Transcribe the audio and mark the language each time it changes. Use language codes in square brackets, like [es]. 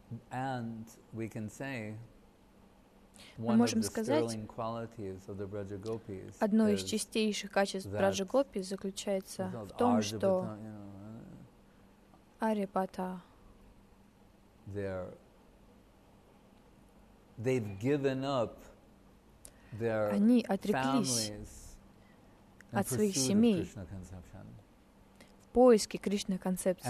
[en] And we can say one of the sterling qualities of the Braja Gopis. [ru] Одно из чистейших качеств Браджа Гопи заключается в том, что Арипата. [en] They've given up their families [ru] от своих семей в поиске Кришна концепции.